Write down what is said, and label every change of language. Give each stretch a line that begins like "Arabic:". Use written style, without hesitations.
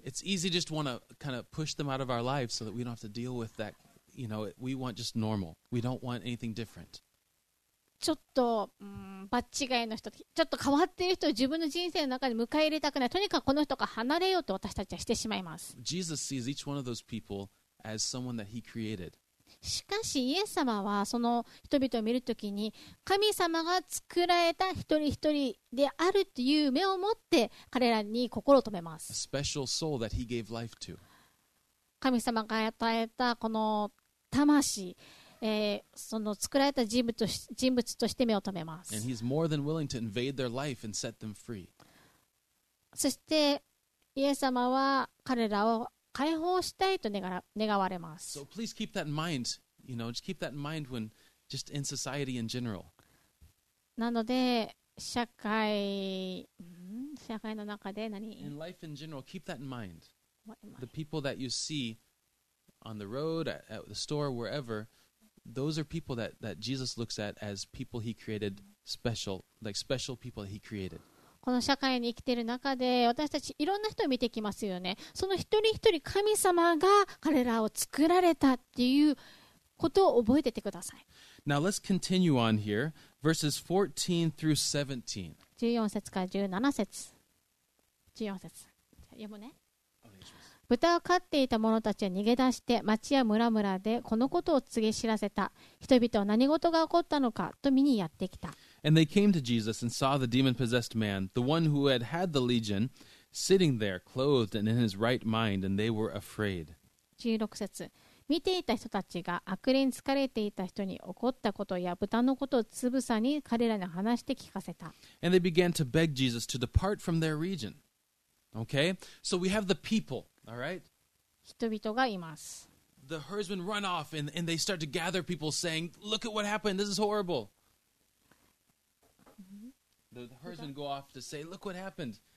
English: It's easy just want to kind of push them out of our lives so that we don't have to deal with that. You know, we want just normal. We don't want anything different.
Japanese: ちょっと、バッチガイの人、ちょっと変わっている人を自分の人生の中に迎え入れたくない。とにかくこの人から離れようと私たちはしてしまいます。
English: Jesus sees each one of those people as someone that he created.
Japanese: しかし、イエス様はその人々を見るときに、神様が作られた一人一人であるという目を持って彼らに心を留めます。
English: A special soul that he gave life to.
Japanese: 神様が与えたこの魂。その作られた人物として目を留めます。
English: And he's more than willing to invade their life and set them free.
Japanese: そしてイエス様は彼らを解放したいと願われます。
English: So please keep that in mind. You know, just keep that in mind when just in society in general.
Japanese: なので社会の中で何
English: ？In life in general, keep that in mind. The people that you see on the road, at the store, wherever. Those are people that Jesus looks at as people he created special, like special people he created.
Japanese: この社会に生きている中で私たちいろんな人を見てきますよね。その一人一人神様が彼らを作られたっていうことを覚えててください。
English: Now let's continue on here. Verses 14 through 17.
Japanese: 14節から17節。14節。読むね。お願いします。豚を飼っていた者たちは逃げ出して町や村々でこのことを告げ知らせた。人々は何事が起こったのかと見にやってきた。
English: And they came to Jesus and saw the demon-possessed man, the one who had had the legion, sitting there, clothed and in his right mind, and they were afraid.
Japanese: 16節。見ていた人たちが悪霊に疲れていた人に起こったことや豚のことをつぶさに彼らに話して聞かせた。
English: And they began to beg Jesus to depart from their region. Okay? So we have the people.All right.
Japanese: 人々がいます。
English: the herdsmen run off and they start to gather people saying, look at what happened, this is horrible. The herdsmen go off to say, look what happened.